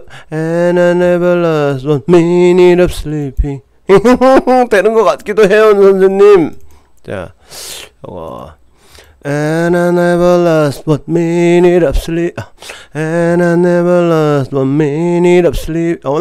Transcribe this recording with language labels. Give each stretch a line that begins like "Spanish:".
English: And I never lost one minute of sleeping.
Korean: 되는 것 같기도 해요, 선생님. 자, 와.
English: And I never lost one minute of sleep. And I never lost one minute of sleep.